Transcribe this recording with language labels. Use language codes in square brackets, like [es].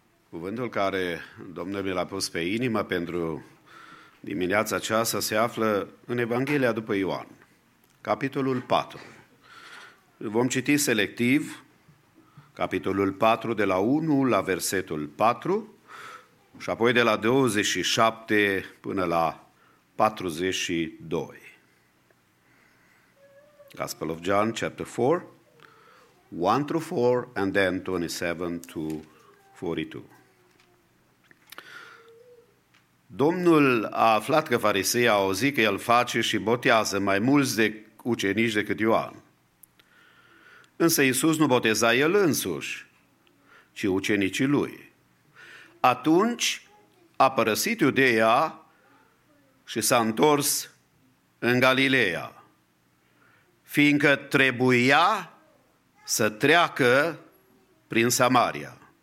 [ro] cuvântul care Domnul mi l-a pus pe inimă pentru dimineața aceasta se află în Evanghelia după Ioan, capitolul 4. Vom citi selectiv capitolul 4 de la 1 la versetul 4 și apoi de la 27 până la 42. [en] Gospel of John, chapter 4, 1 through 4, and then 27 to 42. [ro] Domnul a aflat că farisei au auzit că el face și botează mai mulți de ucenici decât Ioan. Însă Iisus nu boteza el însuși, ci ucenicii lui. Atunci a părăsit Iudeea și s-a întors în Galileea, fiindcă trebuia să treacă prin Samaria.